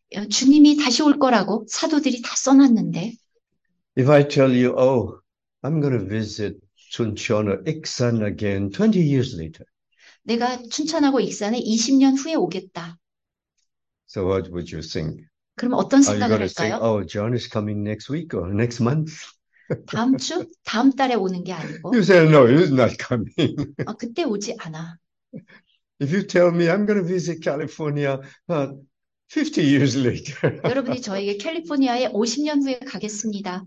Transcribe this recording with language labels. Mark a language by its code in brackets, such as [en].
[ko] 주님이 다시 올 거라고 사도들이 다 써놨는데. [en] If I tell you, oh, I'm going to visit Suncheon or Iksan again 20 years later. [ko] 내가 춘천하고 익산에 20년 후에 오겠다. [en] So what would you think? [ko] 그럼 어떤 [en] Are you going to think, [ko] 할까요? [en] oh, John is coming next week or next month? [ko] 다음 주? 다음 달에 오는 게 아니고. [en] You say, no, he's not coming. [ko] 아, 그때 오지 않아. [en] If you tell me I'm going to visit California 50 years later, [ko] 여러분이 저에게 캘리포니아에 50년 후에 가겠습니다.